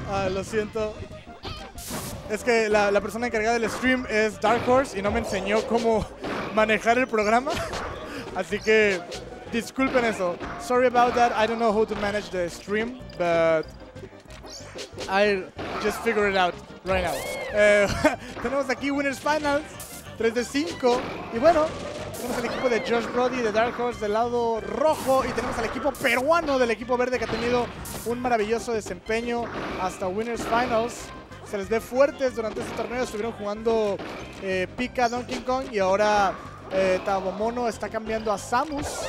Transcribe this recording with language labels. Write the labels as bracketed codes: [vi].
[es] Lo siento. Es que la persona encargada del stream es Dark Horse y no me enseñó cómo manejar el programa. Así que disculpen eso. [en] Sorry about that. I don't know how to manage the stream, but I just figured it out right now. [es] Tenemos aquí Winners Finals 3-5. Y bueno, tenemos al equipo de Josh Brody de Dark Horse del lado rojo. Y tenemos al equipo peruano del equipo verde que ha tenido un maravilloso desempeño hasta Winners Finals. Se les ve fuertes durante este torneo. Estuvieron jugando Pika, Donkey Kong. Y ahora Tabomono está cambiando a Samus.